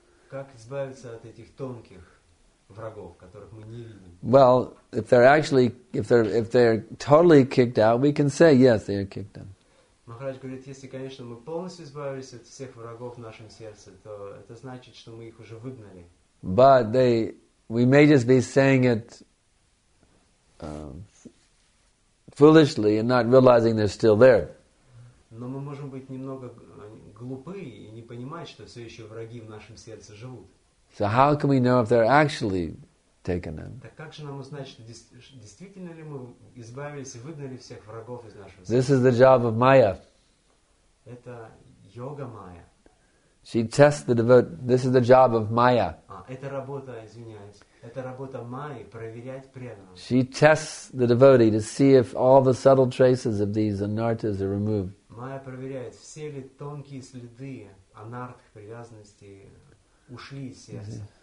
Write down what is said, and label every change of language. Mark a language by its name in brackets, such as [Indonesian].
[Russian] Как избавиться от этих тонких врагов, которых мы не видим? [English] Well, if they're totally kicked out, we can say yes, they are kicked out. [Russian] Махарадж говорит, если, конечно, мы полностью избавились от всех врагов в нашем сердце, то это значит, что мы их уже выгнали. [English] But we may just be saying it foolishly and not realizing they're still there. [Russian] Но мы можем быть немного глупы и не понимать, что все еще враги в нашем сердце живут. [English] So how can we know if they're actually taken out? [Russian] Так как же нам узнать, что действительно ли мы избавились и выгнали всех врагов из нашего сердца? [English] This is the job of Maya. [Russian] Это йога Maya. [English] She tests the devotee. This is the job of Maya. [Russian] Это работа, извиняюсь. Это работа Майи, проверять преданного. [English] She tests the devotee to see if all the subtle traces of these anarthas are removed. [Russian] Майя проверяет, все ли тонкие следы анартх привязанности ушли из сердца.